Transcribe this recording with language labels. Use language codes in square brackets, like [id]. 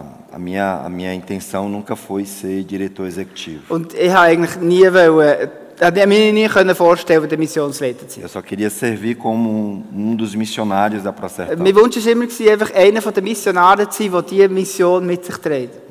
[pt] A minha intenção nunca foi ser diretor executivo. [de] Und ich habe eigentlich nie können vorstellen, der Missionsleiter zu sein. [pt] Eu só queria servir como um dos missionários da Prosertão. [de] Mein Wunsch war immer, einfach einer von den Missionaren zu sein, der diese Mission mit sich trägt.